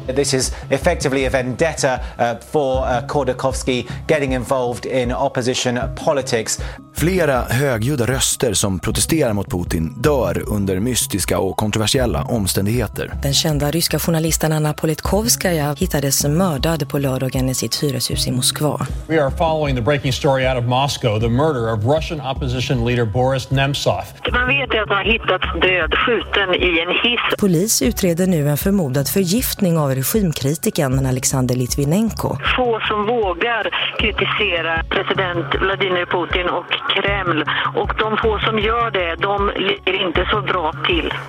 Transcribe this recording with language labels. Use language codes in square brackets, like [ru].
[en] This is effectively a vendetta for Khodorkovsky getting involved in opposition politics. [sv] Flera högljudda röster som protesterar mot Putin dör under mystiska och kontroversiella omständigheter. Den kända ryska journalisten Anna Politkovskaya hittades mördad på lördagen i sitt hyreshus i Moskva. [en] We are following the breaking story out of Moscow, the murder of Russian opposition leader Boris Nemtsov. [sv] Man vet att han har hittats död, skjuten i en hiss. Polis utreder nu en förmodad förgiftning av regimkritiken Alexander Litvinenko. Få som vågar kritisera president Vladimir Putin och Kreml, och de få som gör det, de ligger inte så bra till.